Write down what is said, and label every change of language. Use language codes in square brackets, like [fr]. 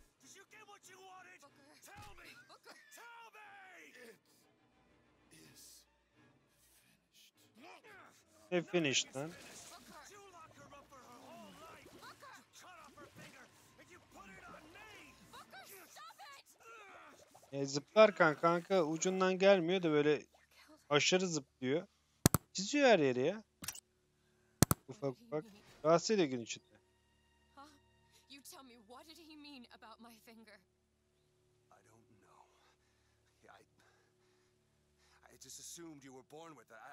[en] Did you get what you wanted? Booker. Tell me. Booker. Tell me. It is finished. He finished then. You lock her up for her whole life. Booker. You cut off her finger and you put it on me. Booker, stop it. [tr] Zıplarken kanka ucundan gelmiyor da böyle aşırı zıplıyor. Çiziyor her yere ya. Ufak ufak. Rahatsız ediyor gün içinde. [en] You tell me, what did he mean about my finger? I don't know. I just assumed you were born with it.